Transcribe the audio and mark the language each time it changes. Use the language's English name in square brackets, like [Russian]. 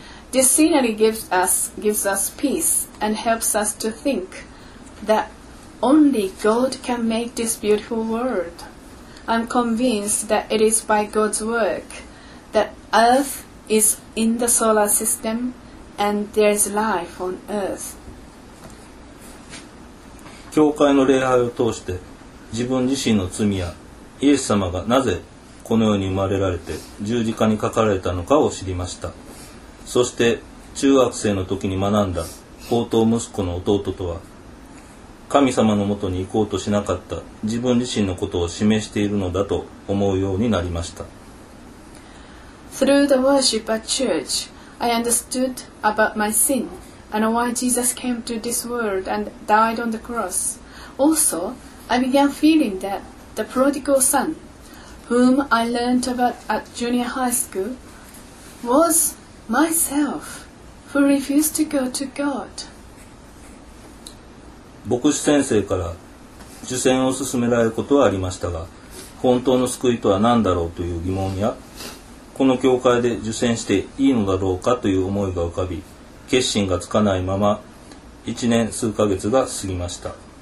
[English] This scenery gives us peace and helps us to think that only God can make this beautiful world. I'm convinced that it is by God's work that Earth is in the solar system and there is life on Earth. [Japanese] 教会の礼拝を通して自分自身の罪やイエス様がなぜこの世に生まれられて十字架にかかられたのかを知りました。そして中学生の時に学んだ高等息子の弟とは神様のもとに行こうとしなかった自分自身のことを示しているのだと思うようになりました。 [English] Through the worship at church, I understood about my sin and why Jesus came to this world and died on the cross. Also, I began feeling that the prodigal son, whom I learned about at junior high school, was myself who refused to go to God. [Japanese] 牧師先生から受洗を勧められることはありましたが、本当の救いとは何だろうという疑問や、この教会で受洗していいのだろうかという思いが浮かび、決心がつかないまま1年数ヶ月が過ぎました。